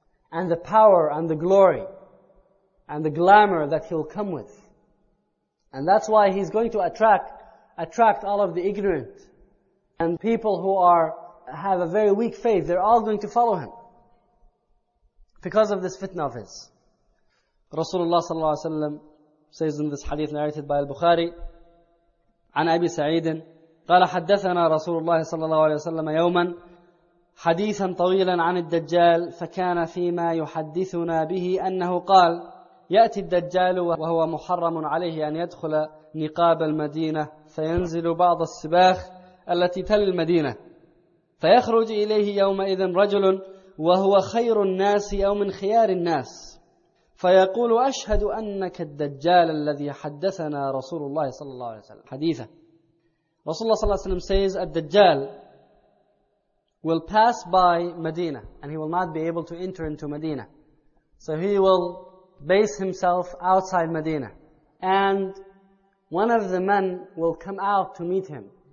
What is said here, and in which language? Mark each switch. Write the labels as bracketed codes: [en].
[en] And the power and the glory. And the glamour that he'll come with. And that's why he's going to attract all of the ignorant. And people who have a very weak faith, they're all going to follow him because of this fitna of his. Rasulullah sallallahu alayhi wa sallam says in this hadith narrated by al-Bukhari, [ar] عن أبي سعيد قال حدثنا رسول الله صلى الله عليه وسلم يوما حديثا طويلا عن الدجال فكان فيما يحدثنا به أنه قال يأتي الدجال وهو محرم عليه أن يدخل نقاب المدينة فينزل بعض السباخ التي تلي المدينة فيخرج إليه يومئذ رجل وهو خير الناس أو من خيار الناس فيقول أشهد أنك الدجال الذي حدثنا رسول الله صلى الله عليه وسلم حديثة. رسول الله صلى الله عليه وسلم [en] says الدجال will pass by Medina and he will not be able to enter into Medina, so he will base himself outside Medina and one of the men will come out to meet him.